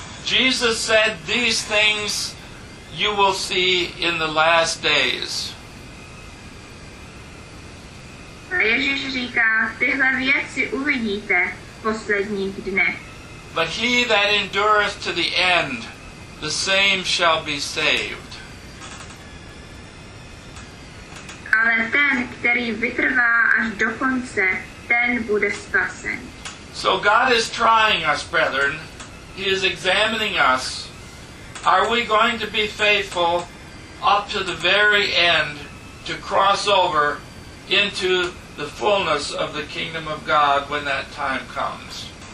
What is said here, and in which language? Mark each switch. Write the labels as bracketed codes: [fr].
[en] Jesus said, "These things you will see in the last days." [cs] Ježíš říká, tyhle věci uvidíte v posledních dnech. [en] But he that endureth to the end, the same shall be saved. [cs] Ale ten, který vytrvá až do konce, ten bude spasen. [en] So God is trying us, brethren. He is examining us. Are we going to be faithful up to the very end to cross over into the fullness of the kingdom of God when that time comes?